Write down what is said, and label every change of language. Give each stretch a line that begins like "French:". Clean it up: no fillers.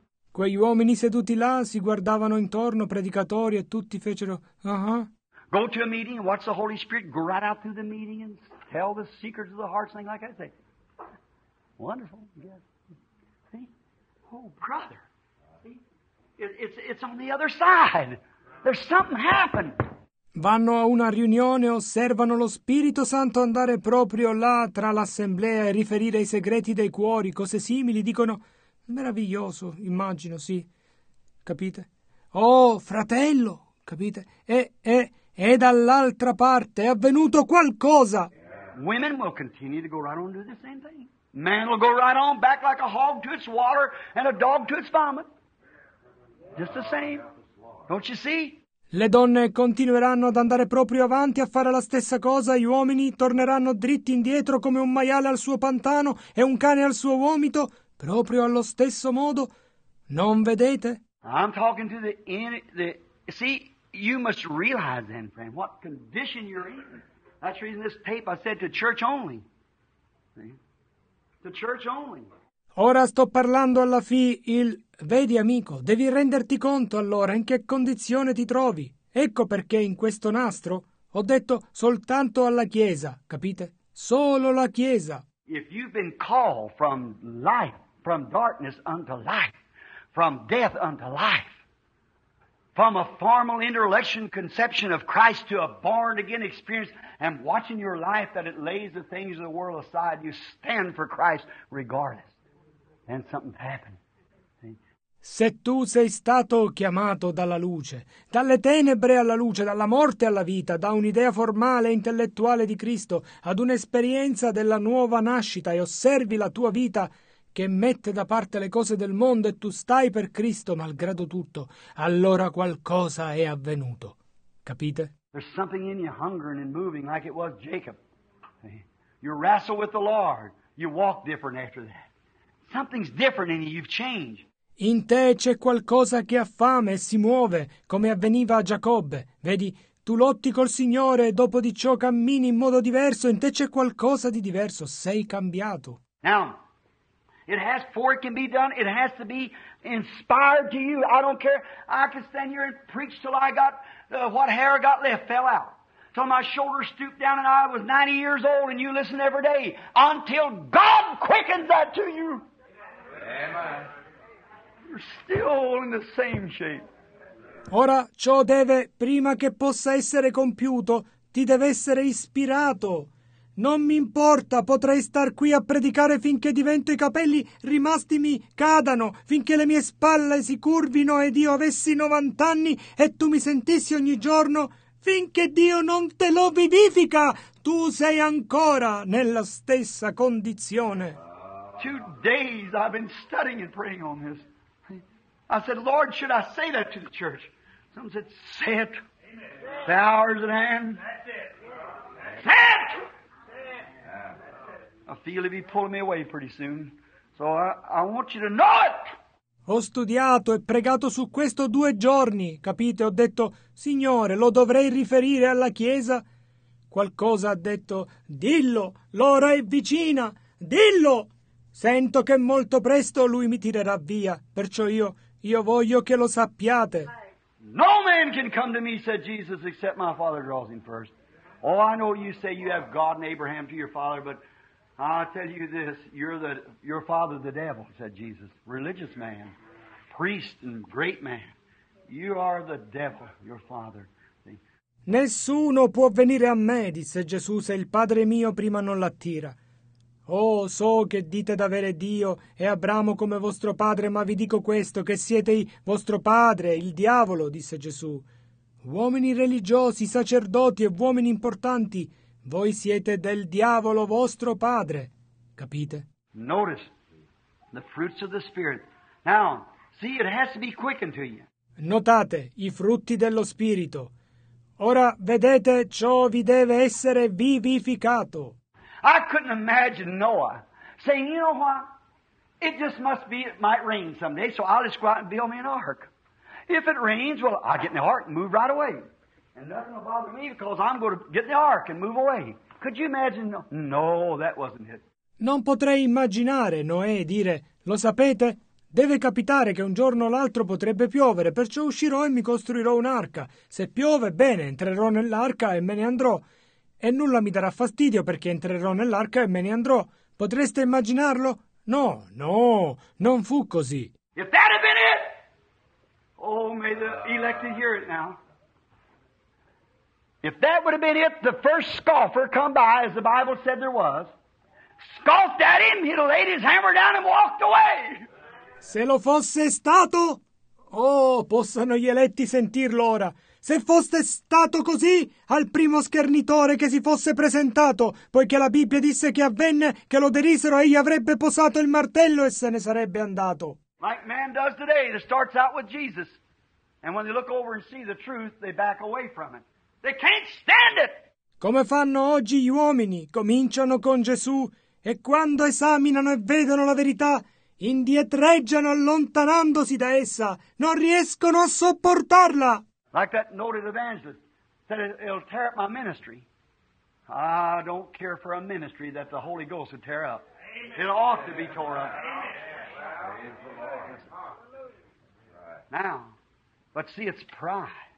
Italian: Quegli uomini seduti là si guardavano intorno, predicatori, e tutti fecero...
English: Go to a meeting and watch the Holy Spirit go right out through the meeting and tell the secrets of the heart, something like I say. Wonderful. Yeah. See? Oh, brother. It's on the other side. There's something happened.
Italian: Vanno a una riunione, osservano lo Spirito Santo andare proprio là tra l'assemblea e riferire i segreti dei cuori, cose simili, dicono meraviglioso, immagino, sì. Capite? Oh, fratello, capite? E dall'altra parte è avvenuto qualcosa.
English: Women will continue to go right on and do the same thing. Man will go right on back like a hog to its water and a dog to its vomit. Just the same. Don't you see?
Italian: Le donne continueranno ad andare proprio avanti a fare la stessa cosa, gli uomini torneranno dritti indietro come un maiale al suo pantano e un cane al suo vomito, proprio allo stesso modo. Non vedete?
English: I'm talking to the see, you must realize then, friend, what condition you're in. That's the reason this tape I said to church only. See? To church only.
Italian: Ora sto parlando alla vedi amico, devi renderti conto allora in che condizione ti trovi. Ecco perché in questo nastro ho detto soltanto alla Chiesa, capite? Solo la Chiesa.
English: If you've been called from life, from darkness unto life, from death unto life, from a formal intellectual conception of Christ to a born again experience, and watching your life that it lays the things of the world aside, you stand for Christ regardless. And something happened.
Italian: Se tu sei stato chiamato dalla luce, dalle tenebre alla luce, dalla morte alla vita, da un'idea formale e intellettuale di Cristo ad un'esperienza della nuova nascita e osservi la tua vita che mette da parte le cose del mondo e tu stai per Cristo malgrado tutto, allora qualcosa è avvenuto. Capite?
English: There's something in you hungering and moving like it was Jacob. You wrestle with the Lord. You walk different after that. Something's different in you. You've changed.
Italian: In te c'è qualcosa che ha fame e si muove, come avveniva a Giacobbe. Vedi, tu lotti col Signore e dopo di ciò cammini in modo diverso. In te c'è qualcosa di diverso. Sei cambiato.
English: Now, it has, for it can be done, it has to be inspired to you. I don't care. I can stand here and preach till I got what hair I got left fell out. Till my shoulders stooped down and I was 90 years old and you listen every day. Until God quickens that to you. Amen. You're still in the same shape.
Italian: Ora ciò deve, prima che possa essere compiuto, ti deve essere ispirato. Non mi importa, potrei star qui a predicare finché divento i capelli rimasti mi cadano, finché le mie spalle si curvino ed io avessi 90 anni e tu mi sentissi ogni giorno, finché Dio non te lo vivifica, tu sei ancora nella stessa condizione.
English: 2 days I've been studying and praying on this. I said, Lord, should I say that to the church? Someone said, say it. Amen. The hour's at hand. That's it. Say it! I feel he'll be pulling me away pretty soon. So I want you to know it!
Italian: Ho studiato e pregato su questo 2 giorni, capite? Ho detto, Signore, lo dovrei riferire alla Chiesa? Qualcosa ha detto, dillo, l'ora è vicina, dillo! Sento che molto presto lui mi tirerà via, perciò io voglio che lo sappiate.
English: No man can come to me, said Jesus, except my Father draws him first. Oh, I know you say you have God and Abraham to your Father, but I tell you this, your father the devil, said Jesus. Religious man, priest and great man. You are the devil, your father. See?
Italian: Nessuno può venire a me, disse Gesù, se il padre mio prima non l'attira. Oh, so che dite d'avere Dio e Abramo come vostro padre, ma vi dico questo, che siete vostro padre, il diavolo, disse Gesù. Uomini religiosi, sacerdoti e uomini importanti, voi siete del diavolo vostro padre. Capite?
English: Notice the fruits of the Spirit. Now, see, it has to be quickened to you.
Italian: Notate i frutti dello Spirito. Ora, vedete, ciò vi deve essere vivificato.
English: I couldn't imagine Noah saying, you know what? It just must be, it might rain someday, so I'll just go out and build me an ark. If it rains, well, I'll get in the ark and move right away. And nothing will bother me because I'm going to get in the ark and move away. Could you imagine? No, that wasn't it.
Italian: Non potrei immaginare Noè dire, lo sapete? Deve capitare che un giorno o l'altro potrebbe piovere, perciò uscirò e mi costruirò un'arca. Se piove, bene, entrerò nell'arca e me ne andrò. E nulla mi darà fastidio perché entrerò nell'arca e me ne andrò. Potreste immaginarlo? No, no, non fu così.
English: If that had been it! Oh, may the elect hear it now. If that would have been it, the first scoffer come by, as the Bible said there was, scoffed at him, he'd have laid his hammer down and walked away.
Italian: Se lo fosse stato... Oh, possano gli eletti sentirlo ora. Se foste stato così, al primo schernitore che si fosse presentato, poiché la Bibbia disse che avvenne che lo derisero, egli avrebbe posato il martello e se ne sarebbe andato.
English: Like man does today, that starts out with Jesus. And when they look over and see the truth, they back away from it. They can't stand it!
Italian: Come fanno oggi gli uomini, cominciano con Gesù, e quando esaminano e vedono la verità, indietreggiano allontanandosi da essa, non riescono a sopportarla!
English: Like that noted evangelist said, it'll tear up my ministry. I don't care for a ministry that the Holy Ghost would tear up. Amen. It ought to be tore up. Amen. Now, but see, it's pride.